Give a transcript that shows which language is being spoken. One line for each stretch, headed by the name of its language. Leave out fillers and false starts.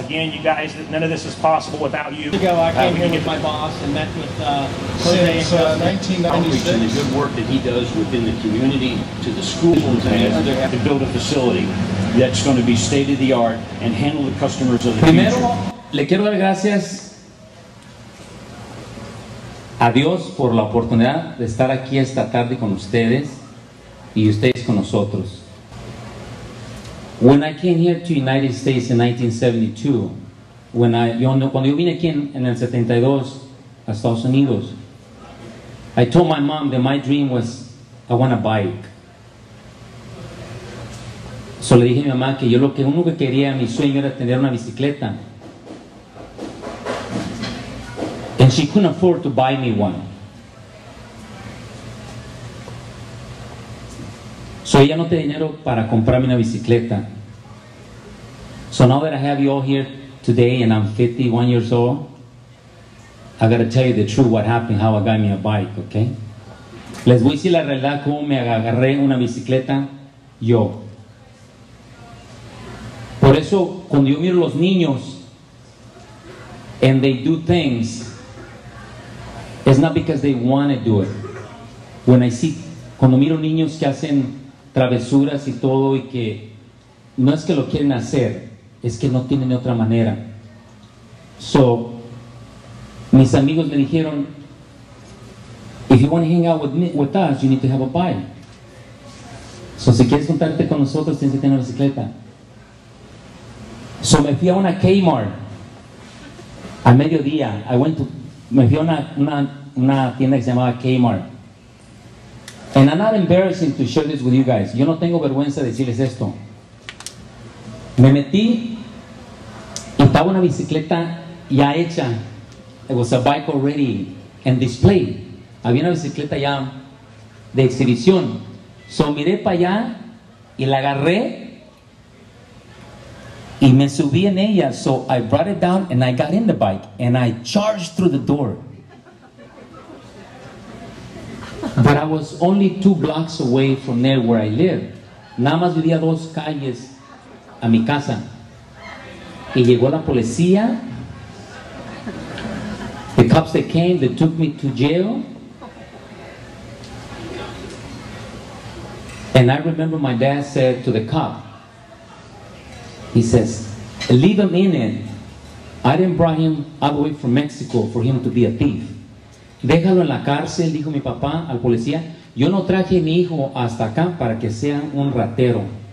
English: Again, you guys, none of this is possible without you. Ago, I came here with my boss and met with Jose. Since 1996. The good work that he does within the community, to the schools, to build a facility that's going to be state-of-the-art and handle the customers of the future.
Spanish: Primero, le quiero dar gracias a Dios por la oportunidad de estar aquí esta tarde con ustedes y ustedes con nosotros.
English: When I came here to United States in 1972,
Spanish: cuando yo vine aquí en el 72 a Estados Unidos,
English: I told my mom that my dream was, I want a bike.
Spanish: So le dije a mi mamá que yo lo que único que quería, mi sueño era tener una bicicleta.
English: And she couldn't afford to buy me one.
Spanish: So ella no tenía dinero para comprarme una bicicleta.
English: So now that I have you all here today and I'm 51 years old, I gotta tell you the truth what happened, how I got me a bike, okay?
Spanish: Les voy a decir la realidad cómo me agarré una bicicleta yo. Por eso, cuando yo miro los niños
English: and they do things, it's not because they want to do it. When I see,
Spanish: cuando miro niños que hacen travesuras y todo y que no es que lo quieren hacer, es que no tienen otra manera.
English: So,
Spanish: mis amigos me dijeron,
English: if you want to hang out with us, you need to have a bike.
Spanish: So, si quieres juntarte con nosotros, tienes que tener una bicicleta. So, me fui a una Kmart a mediodía. Me fui a una tienda que se llamaba Kmart.
English: And I'm not embarrassing to share this with you guys.
Spanish: Yo no tengo vergüenza de decirles esto. Me metí y estaba una bicicleta ya hecha.
English: It was a bike already and displayed.
Spanish: Había una bicicleta ya de exhibición. So miré para allá y la agarré y me subí en ella.
English: So I brought it down and I got in the bike and I charged through the door. But I was only 2 blocks away from there where I live.
Spanish: Nada más vivía 2 calles a mi casa. Y llegó la policía.
English: The cops that came, they took me to jail. And I remember my dad said to the cop, he says, leave him in it. I didn't bring him all the way from Mexico for him to be a thief.
Spanish: Déjalo en la cárcel, dijo mi papá al policía. Yo no traje a mi hijo hasta acá para que sea un ratero.